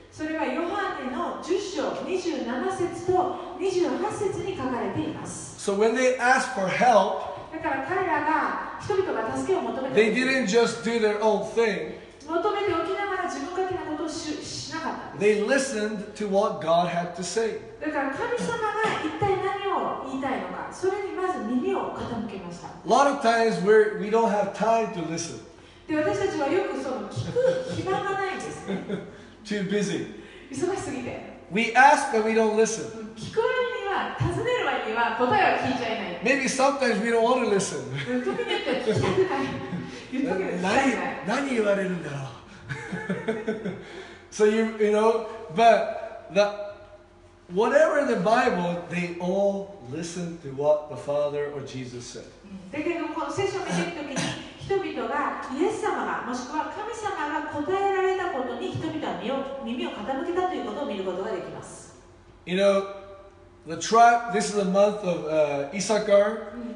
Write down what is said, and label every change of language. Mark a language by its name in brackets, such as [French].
[Japanese] それはヨハネの10章27節と28節に書かれています。 [English] So when they asked for help, [Japanese] だから彼らが人々が助けを求めて、 [English] they didn't just do their own thing. [Japanese] 求めておきながら自分勝手なことを しなかった。 [English] They listened to what God had to say. [Japanese] だから神様が一体何を言いたいのか、それにまず耳を傾けました。 [English] A lot of times we don't have time to listen. [Japanese] で、私たちはよくその聞く暇がないんです。 [English] Too busy. [Japanese] 忙しすぎて。 [English] We ask and we don't listen. [Japanese] 聞こえるには、尋ねる前には答えは聞いちゃいない。 [English] Maybe sometimes we don't want to listen. [Japanese] 何言われるんだろう。 [English] So you know, but whatever in the Bible, they all listen to what the Father or Jesus said. [Japanese] だけど、聖書を見ていくときに、 [English] You know, the tribe, this is the month of Issachar.